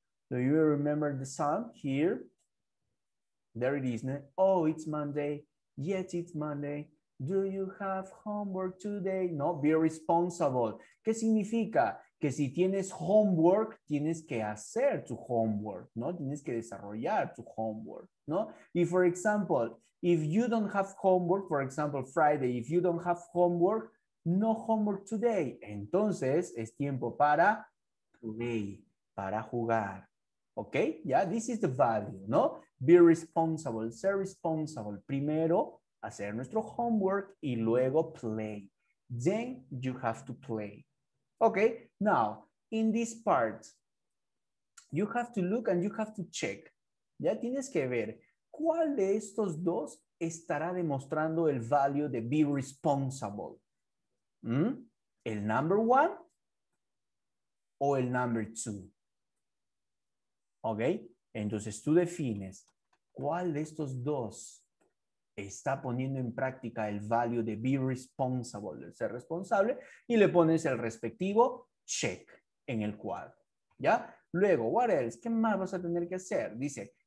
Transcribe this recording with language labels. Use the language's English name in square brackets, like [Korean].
[English] Do you remember the song here? There it is. Oh, it's Monday. Yet it's Monday. Do you have homework today? No, be responsible. [Spanish] ¿Qué significa? Que si tienes homework, tienes que hacer tu homework, ¿no? Tienes que desarrollar tu homework, ¿no? [English] Y for example, if you don't have homework, for example, Friday, if you don't have homework, no homework today. [Spanish] Entonces, es tiempo para [English] today, [Spanish] para jugar. ¿Ok? [English] Yeah, this is the value, ¿no? Be responsible, [Spanish] ser responsible. Primero, hacer nuestro homework y luego [English] play. Then, you have to play. ¿Ok? Now, in this part, you have to look and you have to check. [Spanish] Ya tienes que ver cuál de estos dos estará demostrando el value de be responsible. ¿El [English] number one [Spanish] o el [English] number two? [Spanish] ¿Ok? Entonces tú defines cuál de estos dos está poniendo en práctica el value de be responsible, de ser responsable, y le pones el respectivo check en el cuadro. ¿Ya? Luego, [English] what else? [Spanish] ¿Qué más vas a tener que hacer? Dice,